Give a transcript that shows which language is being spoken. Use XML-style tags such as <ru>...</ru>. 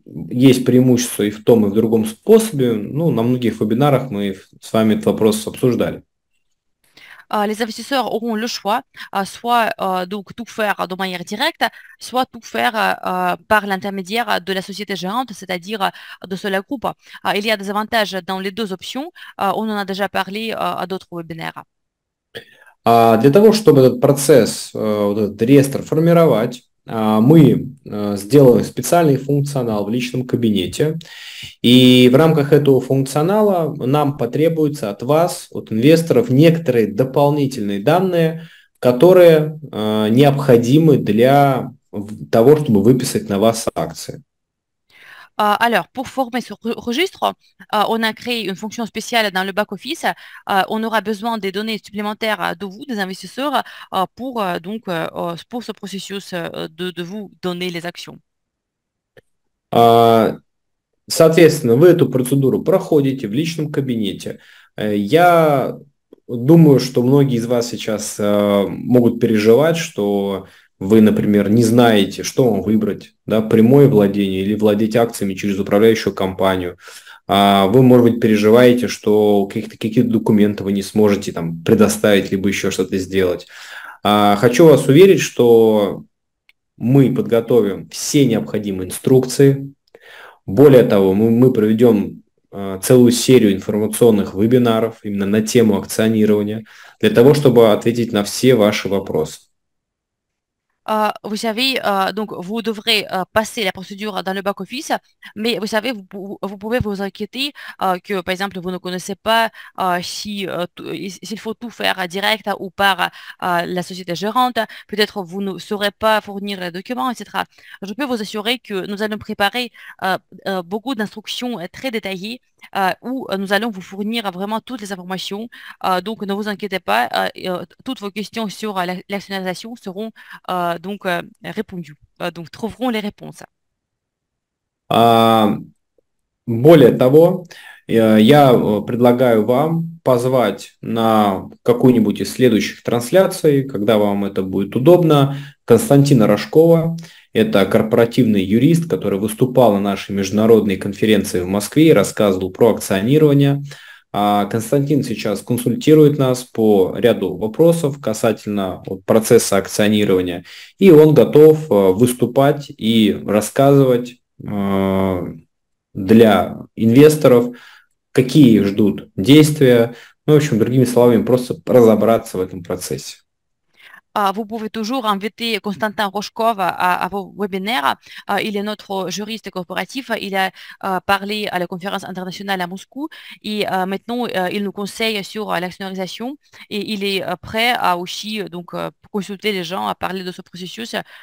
<ru>Есть преимущество и в том, и в другом способе. Ну, на многих вебинарах мы с вами этот вопрос обсуждали.</ru> <fr>Les investisseurs auront le choix, soit donc tout faire de manière directe, soit tout faire par l'intermédiaire de la société gérante, c'est-à-dire de Solar Group. Il y a des avantages dans les deux options, on en a déjà parlé à d'autres webinaires.</fr> <ru>Для того, чтобы этот процесс, вот этот реестр формировать, мы сделаем специальный функционал в личном кабинете. И в рамках этого функционала нам потребуется от вас, от инвесторов, некоторые дополнительные данные, которые необходимы для того, чтобы выписать на вас акции.</ru> <fr>Alors, pour former ce registre, on a créé une fonction spéciale dans le back-office. On aura besoin des données supplémentaires de vous, des investisseurs, pour donc pour ce processus de vous donner les actions.</fr> <ru>Соответственно, вы эту процедуру проходите в личном кабинете. Я думаю, что многие из вас сейчас могут переживать, что вы, например, не знаете, что вам выбрать, да, прямое владение или владеть акциями через управляющую компанию. Вы, может быть, переживаете, что какие-то документы вы не сможете там предоставить, либо еще что-то сделать. Хочу вас уверить, что мы подготовим все необходимые инструкции. Более того, мы проведем целую серию информационных вебинаров именно на тему акционирования, для того, чтобы ответить на все ваши вопросы.</ru> <fr>Vous savez, donc vous devrez passer la procédure dans le back-office, mais vous savez, vous pouvez vous inquiéter que, par exemple, vous ne connaissez pas s'il faut tout faire direct ou par la société gérante, peut-être vous ne saurez pas fournir les documents, etc. Je peux vous assurer que nous allons préparer beaucoup d'instructions très détaillées où nous allons vous fournir vraiment toutes les informations. Donc, ne vous inquiétez pas, toutes vos questions sur l'actionnalisation seront donc répondues, donc trouveront les réponses.</fr> <ru>Более того, Я предлагаю вам позвать на какую-нибудь из следующих трансляций, когда вам это будет удобно, Константина Рожкова. Это корпоративный юрист, который выступал на нашей международной конференции в Москве и рассказывал про акционирование. Константин сейчас консультирует нас по ряду вопросов касательно процесса акционирования. И он готов выступать и рассказывать для инвесторов, какие ждут действия. Ну, в общем, другими словами, просто разобраться в этом процессе.</ru> <fr>Vous pouvez toujours inviter Constantin Rochkov à vos webinaires. Il est notre juriste corporatif. Il a parlé à la conférence internationale à Moscou et maintenant il nous conseille sur l'actionnarisation et il est prêt à aussi donc consulter les gens, à parler de ce processus.</fr>